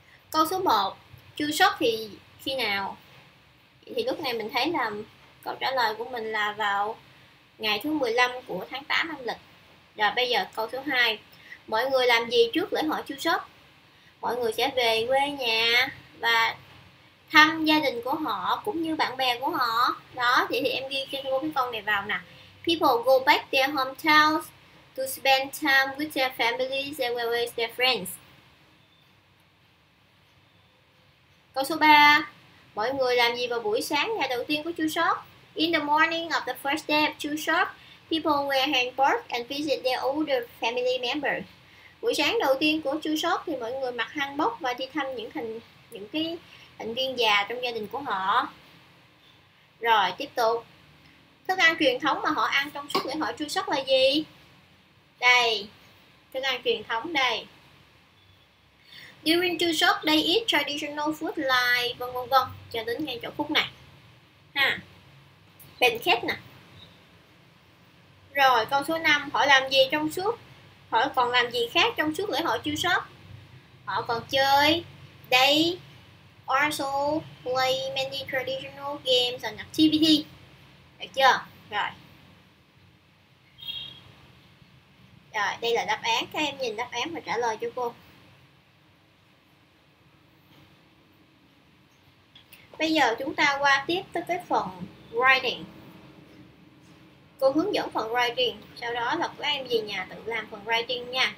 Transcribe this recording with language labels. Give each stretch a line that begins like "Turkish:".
Vietnamese: Câu số 1, Chuseok thì khi nào? Thì lúc này mình thấy là câu trả lời của mình là vào ngày thứ 15 của tháng 8 âm lịch. Rồi bây giờ câu số 2, mọi người làm gì trước lễ hội Chuseok? Mọi người sẽ về quê nhà và thăm gia đình của họ cũng như bạn bè của họ. Đó, thì em ghi cho cô cái câu này vào nè.
English: People go back their hometowns to spend time with their families as well as their friends.
Vietnamese: Câu số 3, mọi người làm gì vào buổi sáng ngày đầu tiên của Chuseok?
English: In the morning of the first day of Chuseok, people wear hanbok and visit their older family members.
Vietnamese: Buổi sáng đầu tiên của Chuseok thì mọi người mặc hanbok và đi thăm những cái thành viên già trong gia đình của họ. Rồi, tiếp tục. Thức ăn truyền thống mà họ ăn trong suốt lễ hội Chuseok là gì? Đây, thức ăn truyền thống đây.
English: During Chuseok, they eat traditional food like
Vietnamese: vân vân vân. Cho đến ngay chỗ phút này. Ha. Pancake nè. Rồi, câu số 5. Họ làm gì trong suốt? Họ còn làm gì khác trong suốt lễ hội Chuseok? Họ còn chơi.
English: They also play many traditional games and activities.
Vietnamese: Được chưa? Rồi. Rồi, đây là đáp án. Các em nhìn đáp án và trả lời cho cô. Bây giờ chúng ta qua tiếp tới cái phần writing. Cô hướng dẫn phần writing, sau đó là các em về nhà tự làm phần writing nha.